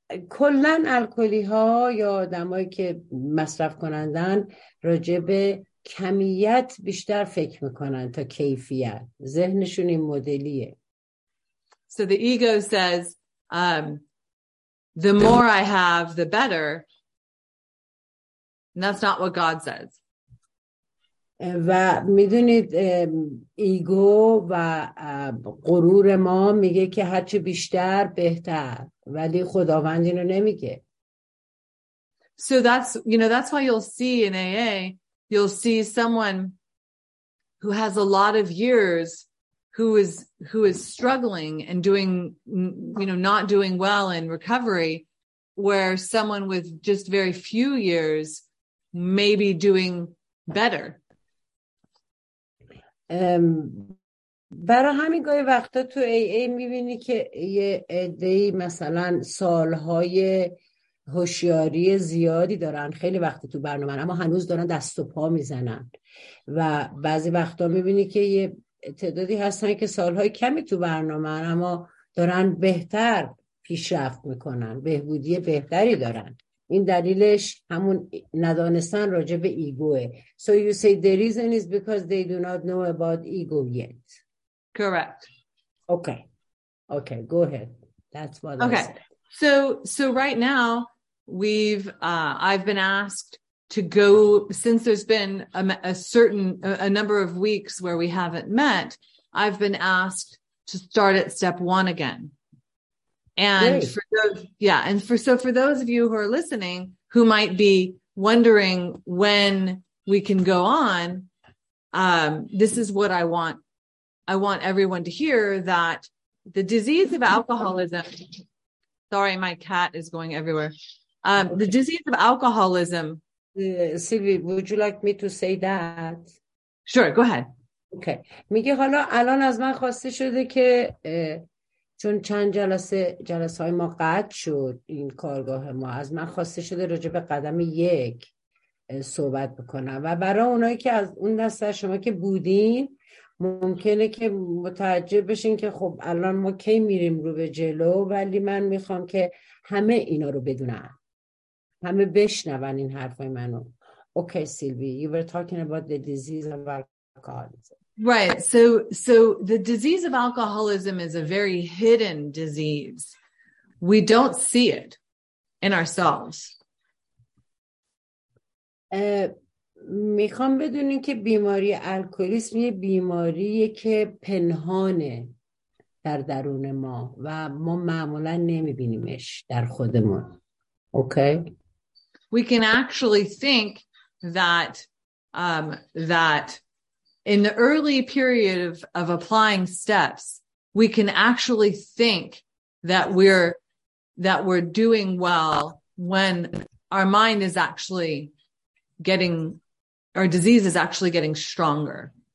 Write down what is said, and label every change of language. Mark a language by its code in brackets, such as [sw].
[fa] کلن الکلی ها یا آدمایی که مصرف کنندن راجع به کمیت بیشتر فکر میکنن تا کیفیت. ذهنشون این مدلیه. [en] So the ego says the more I have the better, and that's not what God says. [fa] و میدونید ایگو و غرور ما میگه که هرچه بیشتر بهتر، ولی خداوند اینو نمیگه. [en] So that's, you know, that's why you'll see in AA, you'll see someone who has a lot of years who is struggling and doing, you know, not doing well in recovery, where someone with just very few years may be doing better. [fa] برای همین گاهی وقتا تو AA میبینی که یه عده‌ای مثلا سالهای هوشیاری زیادی دارن، خیلی وقت تو برنامه، اما هنوز دارن دست و پا میزنن. و بعضی وقتا میبینی که یه تعدادی هستن که سالهای کمی تو برنامه، اما دارن بهتر پیشرفت میکنن، بهبودی بهتری دارن. این دلیلش همون ندانستن راجع به ایگوه. [en] So you say the reason is because they do not know about ego yet. Correct. Okay. Okay, go ahead. That's what okay. I said. Okay. So right now I've been asked to go, since there's been a number of weeks where we haven't met, I've been asked to start at step one again. And for those, yeah, and for those of you who are listening who might be wondering when we can go on, this is what I want everyone to hear, that the disease of alcoholism, sorry, my cat is going everywhere. The disease of alcoholism. Sylvie, would you like me to say that? Sure, go ahead. Okay. [fa] میگه حالا الان از من خواسته شده که چون چند جلسه های ما قطع شد، این کارگاه ما، از من خواسته شده راجع به قدم یک صحبت بکنم. و برای اونایی که از اون دسته شما که بودین، ممکنه که متعجب بشین که خب الان ما کی میریم رو به جلو، ولی من میخوام که همه اینا رو بدونن، همه بشنون این حرفای منو. [en] Okay Sylvie, you were talking about the disease of alcoholism. Right. So the disease of alcoholism is a very hidden disease. We don't see it in ourselves. [fa] میخوام بدونین که بیماری الکلیسم یه بیماریه که پنهانه در درون ما و ما معمولا نمیبینیمش در خودمون. Okay. [en] We can actually think that that in the early period of applying steps, we can actually think that we're doing well when our mind is actually getting, our disease is actually getting stronger.